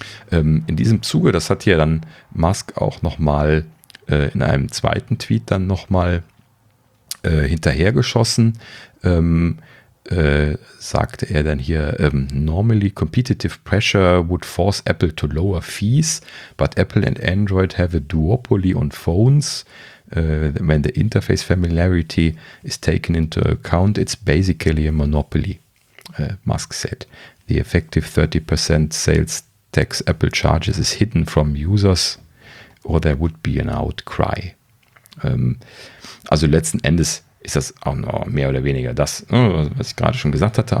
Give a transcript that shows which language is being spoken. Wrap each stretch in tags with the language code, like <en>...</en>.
<de>In diesem Zuge, das hat ja dann Musk auch nochmal in einem zweiten Tweet dann nochmal hinterhergeschossen, sagte er dann hier,</de> <en>normally competitive pressure would force Apple to lower fees, but Apple and Android have a duopoly on phones. When the interface familiarity is taken into account, it's basically a monopoly, Musk said. The effective 30% sales tax Apple charges is hidden from users or there would be an outcry.</en> <de>Also letzten Endes ist das auch noch mehr oder weniger das, was ich gerade schon gesagt hatte.</de>